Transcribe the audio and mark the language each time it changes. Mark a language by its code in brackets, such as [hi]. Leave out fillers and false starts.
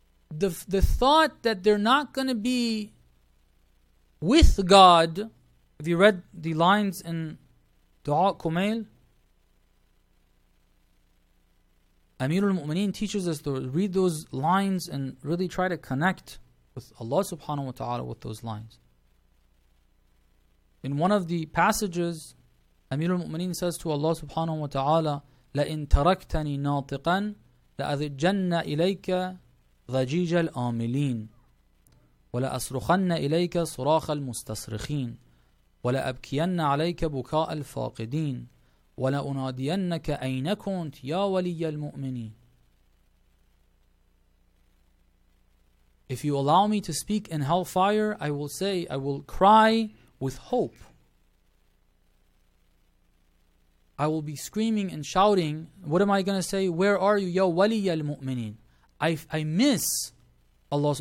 [en] the thought that they're not going to be with God. Have you read the lines in Dua Kumail? Amir al-Mu'mineen teaches us to read those lines and really try to connect with Allah subhanahu wa ta'ala with those lines. In one of the passages, Amir al-Mu'mineen says to Allah subhanahu wa ta'ala, [ar] لَإِن تَرَكْتَنِي نَاطِقًا لَأَذِجَّنَّ إِلَيْكَ ضَجِيجَ الْآمِلِينَ وَلَأَصْرُخَنَّ إِلَيْكَ صُرَاخَ الْمُسْتَصْرِخِينَ وَلَأَبْكِيَنَّ عَلَيْكَ بُكَاءَ الْفَاقِدِينَ وَلَأُنَادِيَنَّكَ أَيْنَ كُنْتْ يَا وَلِيَّ الْمُؤْمِنِينَ. [en] If you allow me to speak in hellfire, I will say, I will cry with hope. I will be screaming and shouting. What am I going to say? Where are you? [ar] يَا وَلِيَّ الْمُؤْمِنِينَ. [en] I miss Allah.